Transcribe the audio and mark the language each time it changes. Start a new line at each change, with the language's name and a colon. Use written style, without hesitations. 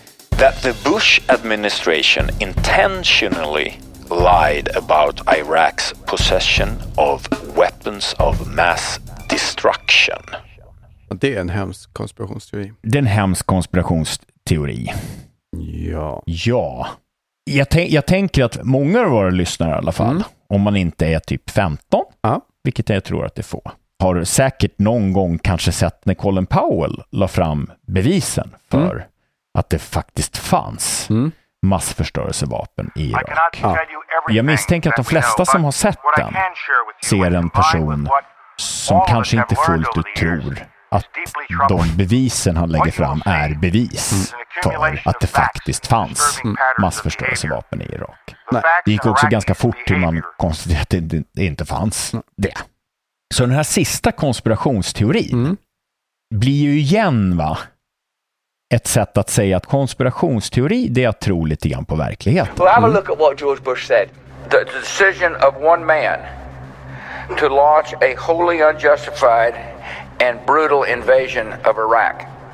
English: That the Bush administration intentionally lied about Iraq's possession of weapons of mass destruction.
Swedish: Det är en hemsk konspirationsteori. Det är en hemsk konspirationsteori. Ja. Ja. Jag tänker att många av våra lyssnare i alla fall, om man inte är typ 15, vilket jag tror att det får, har säkert någon gång kanske sett när Colin Powell la fram bevisen för att det faktiskt fanns massförstörelsevapen i Irak. Jag misstänker att de flesta som har sett den ser en person som kanske inte fullt ut tror att de bevisen han lägger fram är bevis för att det faktiskt fanns massförstörelsevapen i Irak. Nej. Det gick också ganska fort till man konstaterade att det inte fanns det. Så den här sista konspirationsteorin blir ju igen, va, ett sätt att säga att konspirationsteori, det är att tro lite grann på verklighet.
English: Well, have a look at what George Bush said. The decision of one man to launch a wholly unjustified and brutal invasion of Iraq.